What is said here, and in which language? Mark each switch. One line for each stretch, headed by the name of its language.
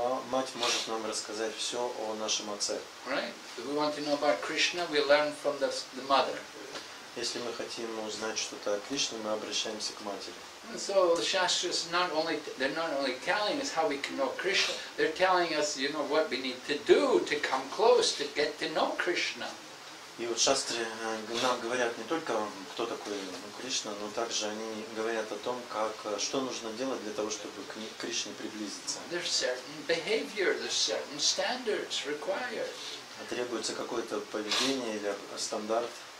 Russian: Мать может нам рассказать все о нашем отце.
English: Right? If we want to know about Krishna, we learn from the mother.
Russian: Если мы хотим узнать что-то о Кришне, мы обращаемся к матери.
English: And so the Shastras not only telling us how we can know Krishna, they're telling us, you know, what we need to do to come close, to get to know Krishna.
Russian: И вот Шастры нам говорят не только, кто такой Кришна, но также они говорят о том, как, что нужно делать для того, чтобы к Кришне приблизиться.
English: There's certain behavior, there's certain standards required.
Russian: Требуется какое-то поведение или стандарт.